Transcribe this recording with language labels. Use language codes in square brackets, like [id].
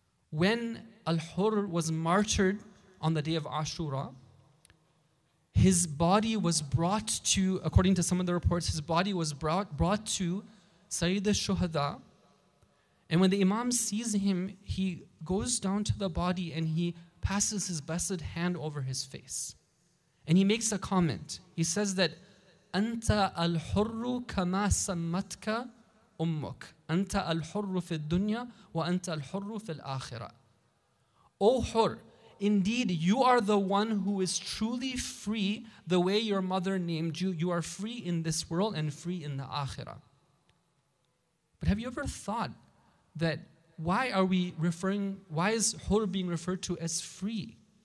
[en] When Al-Hur was martyred on the day of Ashura, his body was brought to, according to some of the reports, his body was brought to Sayyid al-Shuhada. And when the Imam sees him, he goes down to the body and he passes his blessed hand over his face. And he makes a comment. He says that, [ar] "Anta al-hurru kama sammatka أمك. أنت الحر في الدنيا وأنت الحر في الآخرة. [en] O حر, indeed you are the one who is truly free the way your mother named you. You are free in this world and free in the آخرة. But have you ever thought that why is حر being referred to as free?